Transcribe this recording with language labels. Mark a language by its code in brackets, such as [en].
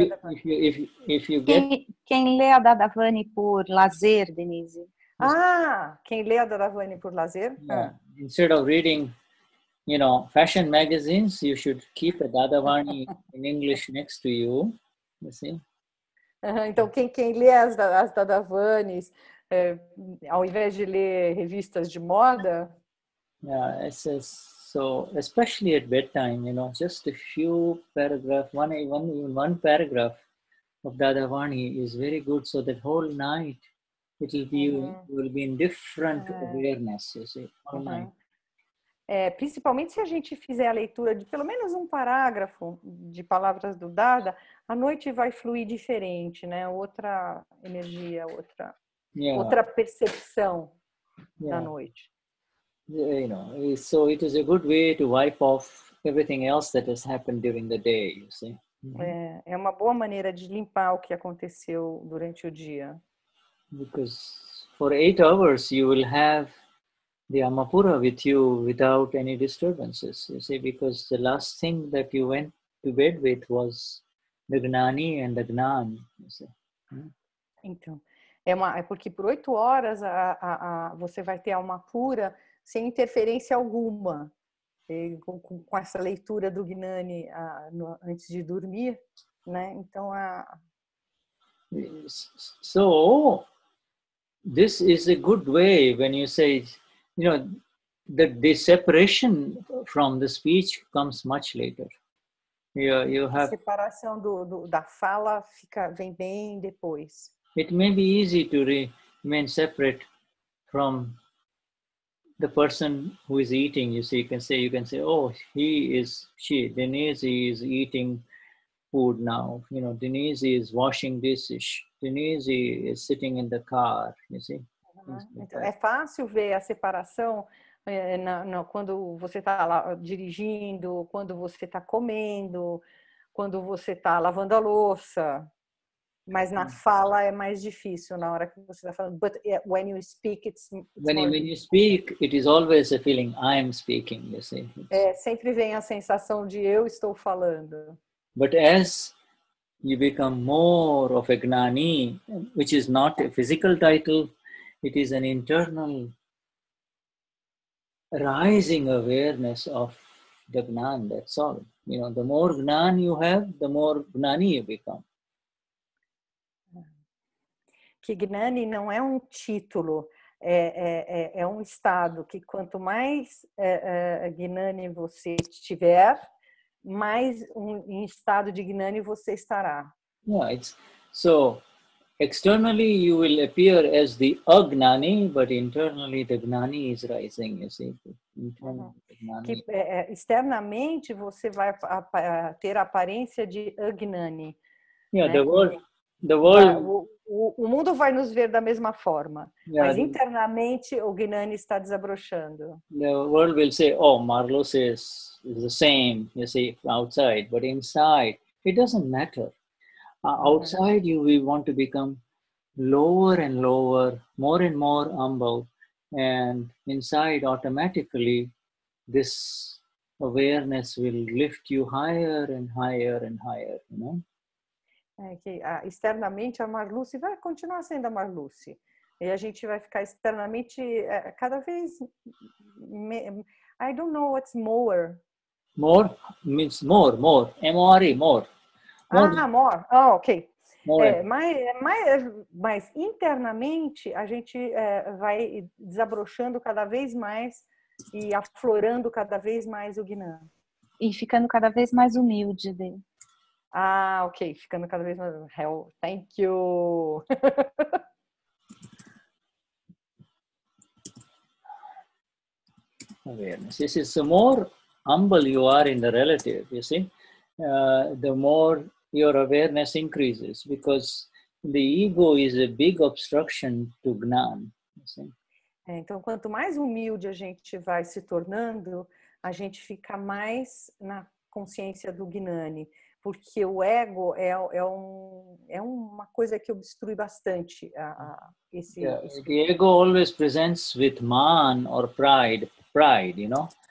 [en] If you get... [pt] quem lê a Dadavani por lazer, Denise? Ah, quem lê a Dadavani por lazer? [en] Yeah. Instead of reading, you know, fashion magazines, you should keep a Dadavani in English next to you. You see? [pt] Então, quem lê as Dadavanis, ao invés de ler revistas de moda? [en] Yeah, it says... So, especially at bedtime, you know, just a few paragraphs, one paragraph of Dadavani is very good. So that whole night, it will be, will be in different awareness, you see, all night. [pt] Principalmente se a gente fizer a leitura de pelo menos um parágrafo de palavras do Dada, a noite vai fluir diferente, né? Outra energia, outra percepção da noite. [en] You know, so it is a good way to wipe off everything else that has happened during the day, you see. Mm-hmm. [pt] É uma boa maneira de limpar o que aconteceu durante o dia. [en] Because for 8 hours you will have the Amapura with you without any disturbances, you see, because the last thing that you went to bed with was the Gnani and the Gnan, you see. Mm-hmm. [pt] Então, é porque por 8 horas você vai ter a Amapura sem interferência alguma, com essa leitura do Gnani antes de dormir, né? Então, [en] So, this is a good way when you say, you know, that the separation from the speech comes much later. [pt] A separação da fala vem bem depois. [en] It may be easy to remain separate from the person who is eating, you see, you can say, oh, Denise is eating food now. You know, Denise is washing dishes. Denise is sitting in the car, you see. [pt] Então, é fácil ver a separação quando você está dirigindo, quando você está comendo, quando você está lavando a louça. Mas na fala é mais difícil, na hora que você está falando. [en] But when you speak, When you speak, it is always a feeling, I am speaking, you see. [pt] Sempre vem a sensação de eu estou falando. [en] But as you become more of a Gnani, which is not a physical title, it is an internal rising awareness of the Gnan, that's all. You know, the more Gnan you have, the more Gnani you become. [pt] Que Gnani não é um título, é um estado que quanto mais Gnani você tiver, mais em estado de Gnani você estará. [en] Yeah, it's, So, externally you will appear as the agnani, but internally the gnani is rising, you see. [pt] Que, externamente você vai ter a aparência de agnani. [en] Yeah, [pt] né? [en] the world... [pt] O mundo vai nos ver da mesma forma, yeah, mas internamente o gnani está desabrochando. [en] The world will say, oh, Marlos is the same, you see, outside, but inside, it doesn't matter. Outside, you we want to become lower and lower, more and more humble, and inside, automatically, this awareness will lift you higher and higher and higher, you know? [pt] É que externamente a Marluce vai continuar sendo a Marluce. E a gente vai ficar externamente cada vez... [en] I don't know what's more. More means more. M-O-R-E, more. Ah, more. Oh, ok. More. [pt] Mas internamente a gente vai desabrochando cada vez mais e aflorando cada vez mais o Gnã. E ficando cada vez mais humilde, né? Ah, ok. Ficando cada vez mais... [en] Hell, thank you! Awareness. This is the more humble you are in the relative, you see, the more your awareness increases because the ego is a big obstruction to Gnan. You see? [pt] Então, quanto mais humilde a gente vai se tornando, a gente fica mais na consciência do Gnani. Porque o ego é uma coisa que obstrui bastante esse... [en] Yeah, the ego always presents with man or pride, you know.